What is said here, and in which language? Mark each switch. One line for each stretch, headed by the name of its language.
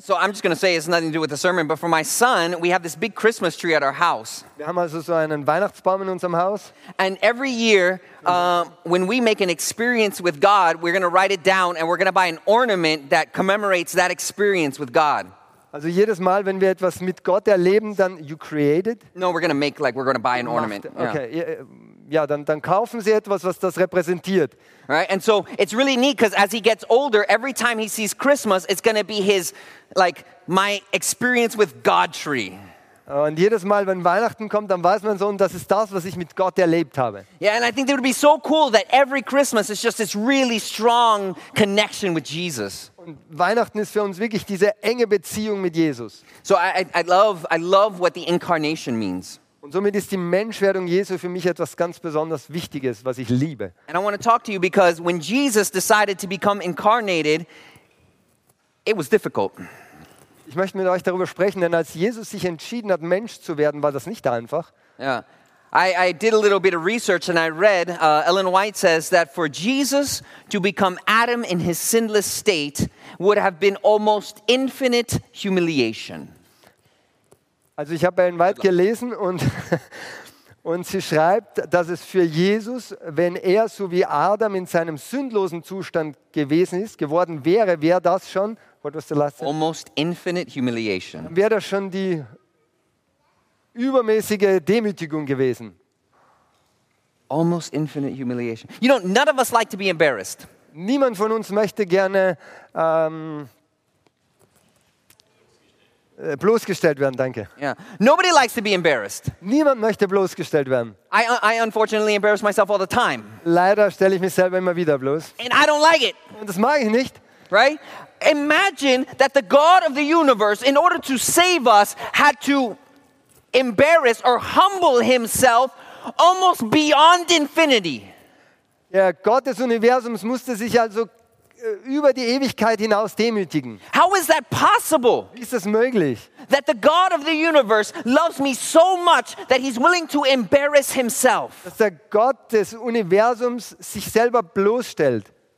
English: So I'm just going to say it's nothing to do with the sermon, but for my son, we have this big Christmas tree at our house.
German: Wir haben also so einen Weihnachtsbaum in unserem Haus.
English: And every year, when we make an experience with God, we're going to write it down and we're going to buy an ornament that commemorates that experience with God.
German: Also jedes Mal, wenn wir etwas mit Gott erleben, dann
English: you created? No, we're going to make like we're going to buy an ornament. Okay.
German: Ja, dann kaufen sie etwas, was das repräsentiert.
English: Right? And so it's really neat because as he gets older, every time he sees Christmas, it's going to be his like my experience with God tree.
German: Und jedes Mal, wenn Weihnachten kommt, dann weiß mein Sohn, das ist das, was ich mit Gott erlebt habe.
English: Yeah, and I think it would be so cool that every Christmas is just this really strong connection with Jesus.
German: Und Weihnachten ist für uns wirklich diese enge Beziehung mit Jesus.
English: So I love what the incarnation means.
German: Und somit ist die Menschwerdung Jesu für mich etwas ganz besonders Wichtiges, was ich liebe.
English: And I want to talk to you because when Jesus decided to become incarnated, it was difficult.
German: Ich möchte mit euch darüber sprechen, denn als Jesus sich entschieden hat, Mensch zu werden, war das nicht einfach.
English: Yeah. I did a little bit of research and I read, Ellen White says that for Jesus to become Adam in his sinless state would have been almost infinite humiliation.
German: Also ich habe Ellen White gelesen und Und sie schreibt, dass es für Jesus, wenn er so wie Adam in seinem sündlosen Zustand gewesen ist, geworden wäre, wäre das schon,
English: what was the last sentence? Almost infinite humiliation.
German: Wäre das schon die übermäßige Demütigung gewesen.
English: Almost infinite humiliation. You know, none of us like to be embarrassed.
German: Niemand von uns möchte gerne bloßgestellt werden, danke.
English: Yeah. Nobody likes to be embarrassed.
German: Niemand möchte bloßgestellt werden.
English: I unfortunately embarrass myself all the time.
German: Leider stelle ich mich selber immer wieder bloß.
English: And I don't like it.
German: Und das mag ich nicht.
English: Right? Imagine that the God of the universe, in order to save us, had to embarrass or humble himself almost beyond infinity.
German: Der Gott des Universums musste sich also über die Ewigkeit hinaus demütigen.
English: How is that possible?
German: Wie ist das möglich?
English: That the God of the universe loves me so much that he's willing to embarrass himself.
German: Dass der Gott des Universums sich selber bloßstellt.